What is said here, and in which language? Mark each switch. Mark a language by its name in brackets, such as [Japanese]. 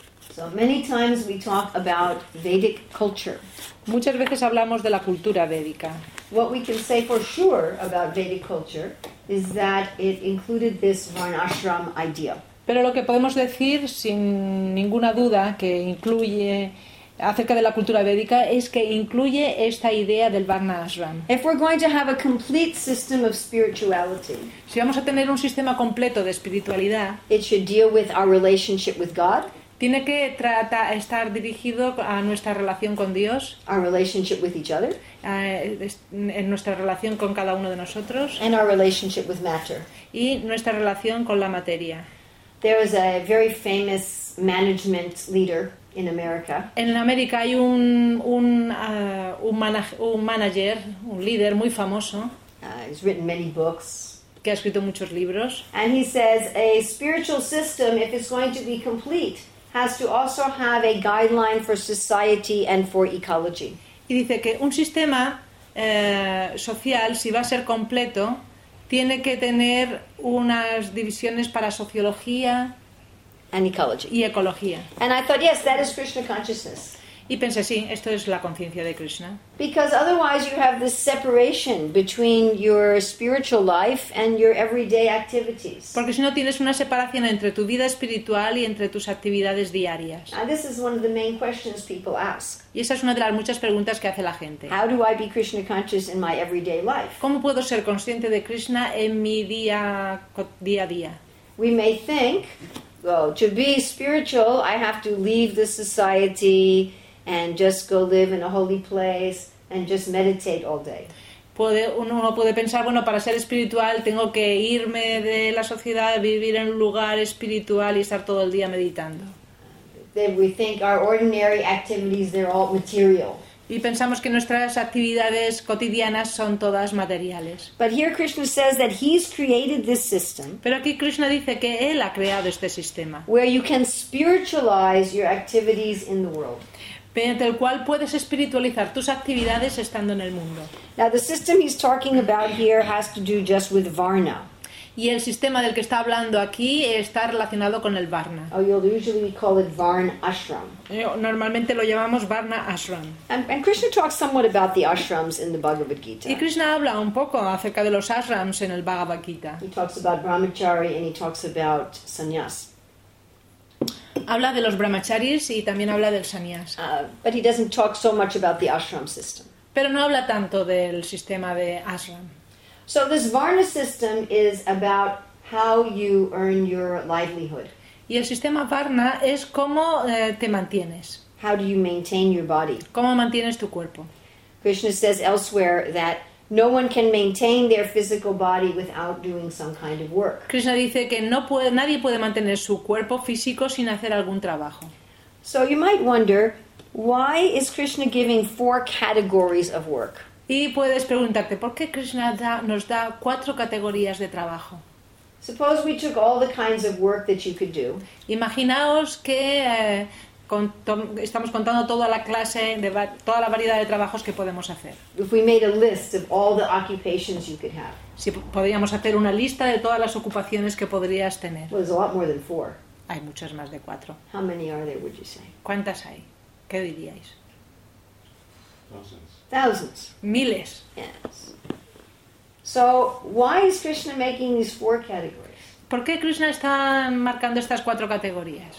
[English] So many times we talk about Vedic culture. [Spanish] Muchas veces hablamos de la cultura védica. [English] What we can say for sure about Vedic culture is that it included this Varnashram idea. [Spanish] Pero lo que podemos decir sin ninguna duda que incluye acerca de la cultura védica es que incluye esta idea del Varnashram. [English] If we're going to have a complete system of spirituality, [Spanish] si vamos a tener un sistema completo de espiritualidad, [English] it should deal with our relationship with God. [Spanish] Tiene que tratar estar dirigido a nuestra relación con Dios, [English] our relationship with each other, [Spanish] en nuestra relación con cada uno de nosotros, [English] and our relationship with matter, [Spanish] y nuestra relación con la materia. [English] There is a very famous management leader in America. [Spanish] En América hay un manager, un líder muy famoso. [English] He's written many books. [Spanish] Que ha escrito muchos libros. [English] And he says a spiritual system, if it's going to be complete, has to also have a guideline for society and for ecology. [Spanish] Y dice que un sistema social, si va a ser completo, tiene que tener unas divisiones para sociología [English] and ecology. [Spanish] Y ecología. [English] And I thought, yes, that is Krishna consciousness. [Spanish] Y pensé, sí, esto es la conciencia de Krishna. [English] Because otherwise you have this separation between your spiritual life and your everyday activities. [Spanish] Porque si no tienes una separación entre tu vida espiritual y entre tus actividades diarias. [English] And this is one of the main questions people ask. [Spanish] Y esa es una de las muchas preguntas que hace la gente. [English] How do I be Krishna conscious in my everyday life? [Spanish] ¿Cómo puedo ser consciente de Krishna en mi día a día? [English] We may think, well, to be spiritual, I have to leave the society and just go live in a holy place and just meditate all day. [Spanish] Uno puede pensar, bueno, para ser espiritual tengo que irme de la sociedad, vivir en un lugar espiritual y estar todo el día meditando. [English] Then we think our ordinary activities, they're all material. [Spanish] Y pensamos que nuestras actividades cotidianas son todas materiales. [English] But here Krishna says that he's created this system. [Spanish] Pero aquí Krishna dice que él ha creado este sistema. [English] Where you can spiritualize your activities in the world. [Spanish] Mediante el cual puedes espiritualizar tus actividades estando en el mundo. [English] Now, the system he's talking about here has to do just with Varna. [Spanish] Y el sistema del que está hablando aquí está relacionado con el Varna. [English] Oh, you'll usually call it Varna Ashram. [Spanish] Normalmente lo llamamos Varna Ashram. [English] And Krishna talks somewhat about the ashrams in the Bhagavad Gita. [Spanish] Y Krishna habla un poco acerca de los ashrams en el Bhagavad Gita. [English] He talks about brahmachari and he talks about sannyas. [Spanish] Habla de los brahmacharis y también habla del sannyas. [English] But he doesn't talk so much about the ashram system. [Spanish] Pero no habla tanto del sistema de ashram. [English] So this varna system is about how you earn your livelihood. [Spanish] Y el sistema varna es cómo te mantienes. [English] How do you maintain your body? [Spanish] ¿Cómo mantienes tu cuerpo? [English] Krishna says elsewhere that no one can maintain their physical body without doing some kind of work. [Spanish] Krishna dice que nadie puede mantener su cuerpo físico sin hacer algún trabajo. [English] So you might wonder, why is Krishna giving four categories of work? [Spanish] Y puedes preguntarte, ¿por qué Krishna nos da cuatro categorías de trabajo? [English] Suppose we took all the kinds of work that you could do. [Spanish] Imaginaos que estamos contando toda la clase de toda la variedad de trabajos que podemos hacer. [English] If we made a list of all the occupations you could have. [Spanish] Si podríamos hacer una lista de todas las ocupaciones que podrías tener. [English] Well, there's a lot more than four. [Spanish] Hay muchas más de cuatro. [English] How many are there, would you say? [Spanish] ¿Cuántas hay? ¿Qué diríais? [English] Thousands. [Spanish] Miles. [English] Yes. So why is Krishna making these four categories? [Spanish] ¿Por qué Krishna está marcando estas cuatro categorías?